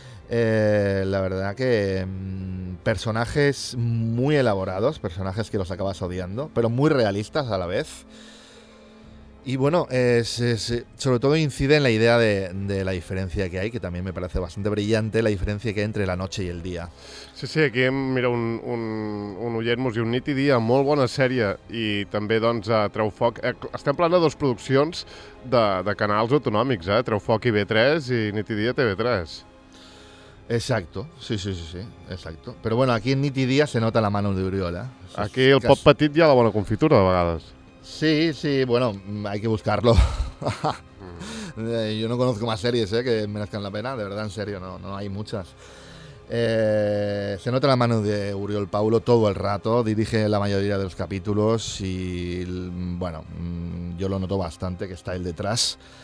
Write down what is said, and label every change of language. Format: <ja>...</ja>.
<es>La verdad que personajes muy elaborados, personajes que los acabas odiando, pero muy realistas a la vez. Y bueno, sobre todo incide en la idea de la diferencia que hay, que también me parece bastante brillante, la diferencia que hay entre la noche y el día.</es> <ca>Sí, sí, aquí mira un oient mos diu, nit i dia, molt bona sèrie, i també doncs treu foc. Estem parlant de dues produccions de canals autonòmics, Treu foc i B3 i nit i dia TV3.</ca> <es>Exacto, sí, exacto. Pero bueno, aquí en Nit i Dia se nota la mano de Oriol, ¿eh? Aquí el pop petit ya la buena confitura, de vegades. Sí, sí, bueno, hay que buscarlo. Yo no conozco más series que merezcan la pena, de verdad, en serio, no hay muchas. Se nota la mano de Oriol Paulo todo el rato, dirige la mayoría de los capítulos y, bueno, yo lo noto bastante, que está él detrás.</es>